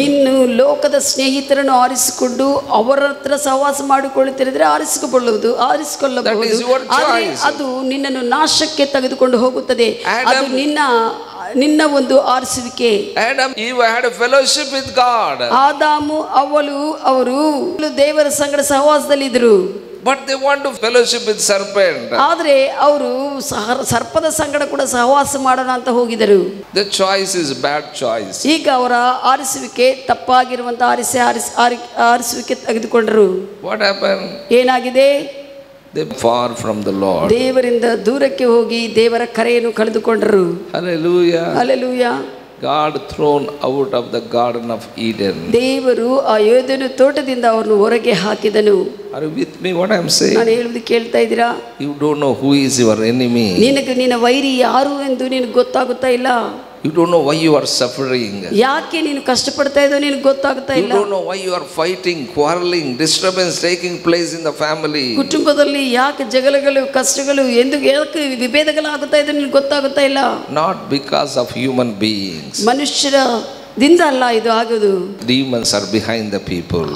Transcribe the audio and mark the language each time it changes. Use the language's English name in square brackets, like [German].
[Kannada] ನಿನ್ನು ಲೋಕದ ಸ್ನೇಹಿತರನ್ನು ಆರಿಸಿಕೊಂಡು ಅವರ ಹತ್ರ ಸಹವಾಸ ಮಾಡಿಕೊಳ್ಳುತ್ತಿದ್ರೆ ಆರಿಸಿಕೊಳ್ಳುವುದು ಆರಿಸಿಕೊಳ್ಳಬಹುದು. ಆದರೆ ಅದು ನಿನ್ನನ್ನು ನಾಶಕ್ಕೆ ತೆಗೆದುಕೊಂಡು ಹೋಗುತ್ತದೆ. ಅದು ನಿನ್ನ ಒಂದು ಆರಿಸುವಿಕೆ. [English] Adam Eve had a fellowship with God. [Kannada] ಆದಾಮು ಅವಳು ಅವರು ದೇವರ ಸಂಗಡ ಸಹವಾಸದಲ್ಲಿ ಇದ್ರು. [English] But they want to fellowship with serpent. [Kannada] ಆದರೆ ಅವರು ಸರ್ಪದ ಸಂಗಡ ಕೂಡ ಸಹವಾಸ ಮಾಡೋಣ ಅಂತ ಹೋಗಿದರು. [English] The choice is bad choice. [Kannada] ಈಗ ಅವರ ಆರಿಸುವಿಕೆ ತಪ್ಪಾಗಿರುವಂತ ಆರಿಸುವಿಕೆ ತೆಗೆದುಕೊಂಡರು. [English] What happened? [Kannada] ಏನಾಗಿದೆ? [English] They far from the Lord. [Kannada] ದೇವರಿಂದ ದೂರಕ್ಕೆ ಹೋಗಿ ದೇವರ ಕರೆಯನ್ನು ಕಳೆದುಕೊಂಡರು. [English] Hallelujah. Hallelujah. God thrown out of the garden of Eden. [Kannada] ದೇವರು ಆ ಏದೆನ ತೋಟದಿಂದ ಅವರನ್ನು ಹೊರಗೆ ಹಾಕಿದನು. [English] Are you with me what I am saying? [Kannada] ನಾನು ಹೇಳುವುದು ಕೇಳ್ತಾ ಇದ್ದೀರಾ? [English] You don't know who is your enemy. [Kannada] ನಿನಗೆ ನಿನ್ನ ವೈರಿ ಯಾರು ಎಂದು ನಿನಗೆ ಗೊತ್ತಾಗುತ್ತಾ ಇಲ್ಲ. [English] You don't know why you are suffering. [Kannada] ಯಾಕೆ ನೀನು ಕಷ್ಟಪಡ್ತಾ ಇದ್ದೀಯೋ ನಿನಗೆ ಗೊತ್ತಾಗುತ್ತಾ ಇಲ್ಲ. [English] You don't know why you are fighting, quarreling, disturbance taking place in the family. [Kannada] ಕುಟುಂಬದಲ್ಲಿ ಯಾಕೆ ಜಗಳಗಳು ಕಷ್ಟಗಳು ಯಾಕೆ ವಿಭೇದಗಳು ಆಗುತ್ತಾ ಇದ್ದೀಯೋ ನಿನಗೆ ಗೊತ್ತಾಗುತ್ತಾ ಇಲ್ಲ. [English] Not because of human beings. [Kannada] ಮನುಷ್ಯರ ದಿಂದ ಅಲ್ಲ ಇದು ಆಗೋದು. [English] Demons are behind the people.